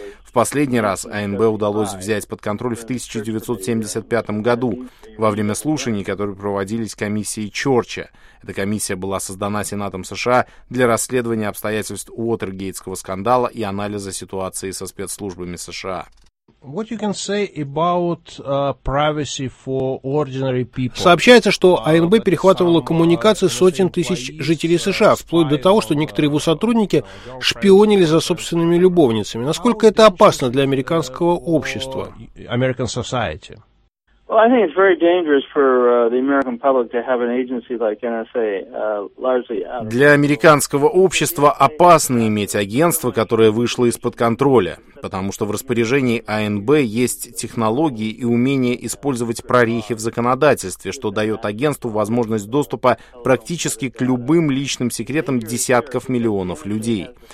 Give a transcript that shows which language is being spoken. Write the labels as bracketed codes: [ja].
[ru] В последний раз АНБ удалось взять под контроль в 1975 году во время слушаний, которые проводились комиссией Чорча. Эта комиссия была создана Сенатом США для расследования обстоятельств Уотергейтского скандала и анализа ситуации со спецслужбами США. [en] What you can say about privacy for ordinary people? [ru] Сообщается, что АНБ перехватывала коммуникации сотен тысяч жителей США, вплоть до того, что некоторые его сотрудники шпионили за собственными любовницами. Насколько это опасно для американского общества? [en] American society. Well, I think it's very dangerous for the American public to have an agency like NSA largely out. [ru] Для американского общества опасно иметь агентство, которое вышло из-под контроля, потому что в распоряжении АНБ есть технологии и умение использовать прорехи в законодательстве, что дает агентству возможность доступа практически к любым личным секретам десятков миллионов людей.